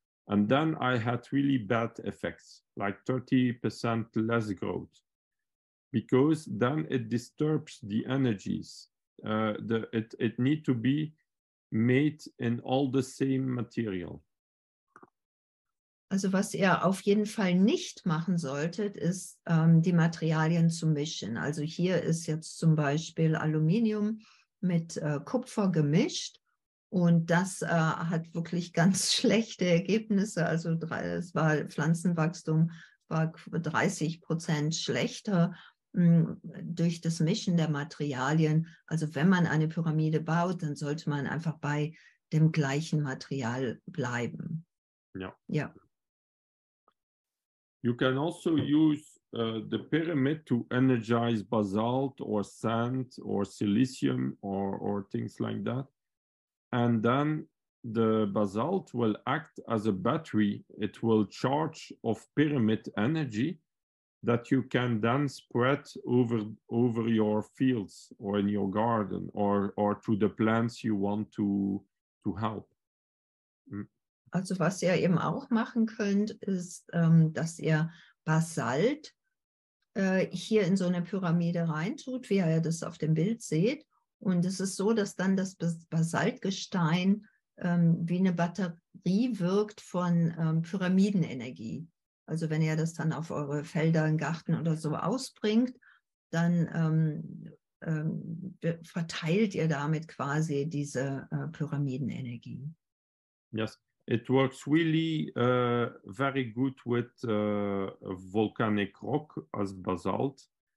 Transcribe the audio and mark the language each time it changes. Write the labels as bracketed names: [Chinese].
[English] And then I had really bad effects, like 30% less growth, because then it disturbs the energies. It need to be made in all the same material. [German] Also was er auf jeden Fall nicht machen sollte, ist die Materialien zu mischen. Also hier ist jetzt zum Beispiel Aluminium mit Kupfer gemischt und das hat wirklich ganz schlechte Ergebnisse. Also es war Pflanzenwachstum war 30% schlechter durch das Mischen der Materialien. Also wenn man eine Pyramide baut, dann sollte man einfach bei dem gleichen Material bleiben. Ja. Ja. [English] You can also use the pyramid to energize basalt or sand or silicium or things like that. And then the basalt will act as a battery. It will charge of pyramid energy that you can then spread over your fields or in your garden or to the plants you want to help. [German] Also was ihr eben auch machen könnt, ist, dass ihr Basalt hier in so eine Pyramide reintut, wie ihr das auf dem Bild seht. Und es ist so, dass dann das Basaltgestein wie eine Batterie wirkt von Pyramidenenergie. Also wenn ihr das dann auf eure Felder, im Garten oder so ausbringt, dann verteilt ihr damit quasi diese Pyramidenenergie. [English] Yes. It works really very good with volcanic rock as basalt.